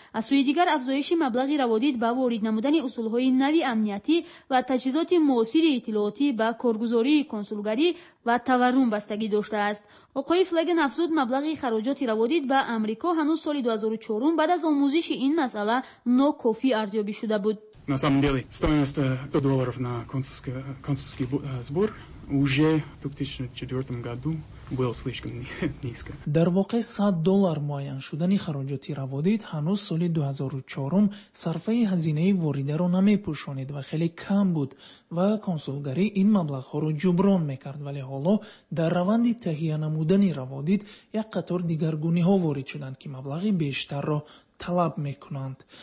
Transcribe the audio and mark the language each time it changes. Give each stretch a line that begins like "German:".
Persian: از سوی دیگر افزایش مبلغ روادید با وارد نمودن اصول های نوی امنیتی و تجهیزات موثر اطلاعاتی به کارگزاری کنسولگری و تورم بستگی داشته است. آقای فلگن افزود مبلغی خراجات روادید به امریکا هنوز سال 2004 بعد از آموزش این مسئله نو کافی ارزیابی شده بود.
Russian: На самом деле, стоимость $100 на консульский сбор уже в 2004 году была слишком низкая.
Persian: در واقع $100 معین شدنی خراجات روادید هنوز سال 2004 صرفه هزینه وارده را نمی پوشانید و خیلی کم بود و کنسولگری این مبلغ ها را جبران میکرد، ولی حالا در روند تهیه نمودن روادید یک قطار دیگرگونی ها وارد شدند که مبلغی بیشتر را طلب میکنند.